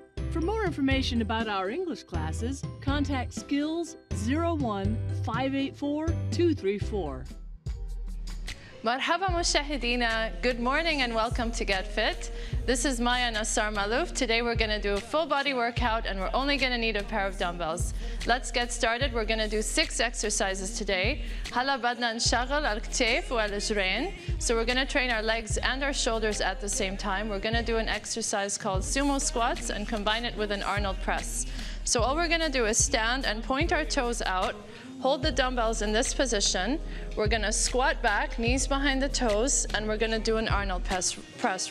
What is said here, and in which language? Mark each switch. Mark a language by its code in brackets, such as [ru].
[en] For more information about our English classes, contact skills 01-584-234. [ar] مرحبا مشاهدينا. [en] Good morning and welcome to Get Fit. This is Maya Nassar Malouf. Today we're going to do a full body workout and we're only going to need a pair of dumbbells. Let's get started. We're going to do 6 exercises today. [ar] هلا بدنا نشغل الكتف والجرين. [en] So we're going to train our legs and our shoulders at the same time. We're going to do an exercise called sumo squats and combine it with an Arnold press. So all we're going to do is stand and point our toes out. Hold the dumbbells in this position. We're gonna squat back, knees behind the toes, and we're gonna do an Arnold press.